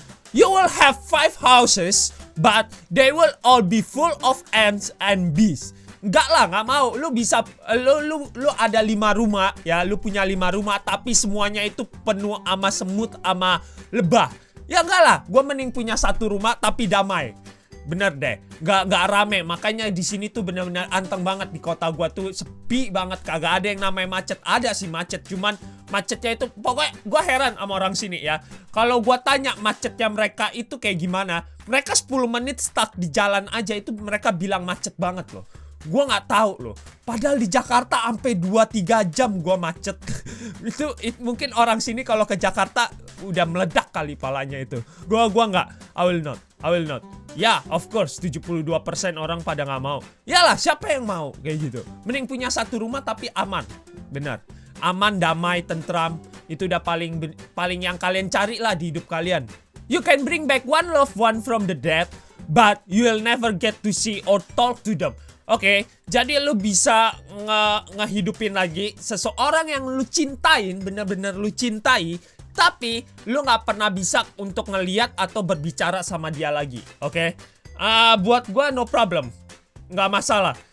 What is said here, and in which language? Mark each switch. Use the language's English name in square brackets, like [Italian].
[English] You will have 5 houses, but they will all be full of ants and bees. [Indonesian] Enggak lah, enggak mau. Lu bisa lu ada 5 rumah ya, lu punya 5 rumah tapi semuanya itu penuh sama semut sama lebah. Ya enggak lah, gua mending punya 1 rumah tapi damai. Bener deh, nggak rame, makanya di sini tuh benar-benar anteng banget. Di kota gua tuh sepi banget, kagak ada yang namanya macet. Ada sih macet, cuman macetnya itu pokoknya gua heran sama orang sini ya. Kalau gua tanya macetnya mereka itu kayak gimana, mereka 10 menit stuck di jalan aja itu mereka bilang macet banget loh. Gua nggak tahu loh, padahal di Jakarta sampai 2-3 jam gua macet. itu mungkin orang sini kalau ke Jakarta udah meledak kali palanya itu. Gua nggak, [English] I will not. [Indonesian] Ya, [English] yeah, of course, [Indonesian] 72% orang pada gak mau. Yalah, siapa yang mau? Kayak gitu. Mending punya 1 rumah tapi aman. Benar. Aman, damai, tentram. Itu udah paling yang kalian cari lah di hidup kalian. [English] You can bring back one loved one from the dead, but you will never get to see or talk to them. [Indonesian] Oke, jadi lu bisa ngehidupin lagi seseorang yang lu cintain, benar-benar lu cintai, tapi lu gak pernah bisa untuk ngeliat atau berbicara sama dia lagi, oke? Okay? Buat gue [English] no problem, [Indonesian] gak masalah.